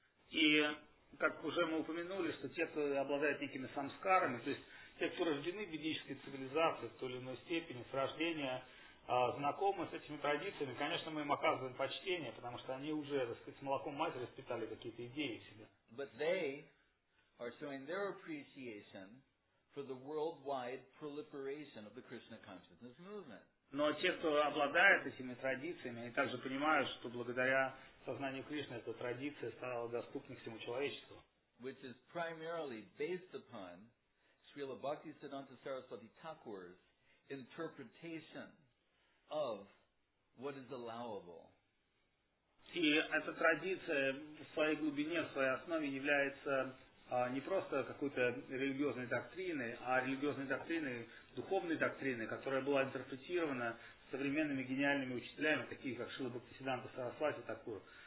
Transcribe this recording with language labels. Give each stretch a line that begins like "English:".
Russian: И как уже мы упомянули, что те, кто обладает некими самскарами, то есть те, кто рождены в ведической цивилизации в той или иной степени, с рождения знакомы с этими традициями, конечно, мы им оказываем почтение, потому что они уже, так сказать, с молоком матери впитали какие-то идеи в себя.
English: But they are showing their appreciation for the worldwide proliferation of the Krishna consciousness movement.
Russian: Но те, кто обладает этими традициями, они также понимают, что благодаря сознанию Кришны эта традиция стала доступна всему человечеству.
English: Which is primarily based upon Srila Bhaktisiddhanta Saraswati Thakur's interpretation of what is allowable.
Russian: И эта традиция в своей глубине, в своей основе является не просто какой-то религиозной доктриной, а религиозной доктриной, духовной доктриной, которая была интерпретирована современными гениальными учителями, такие как Шрила Бхактисиддханта Сарасвати Такур.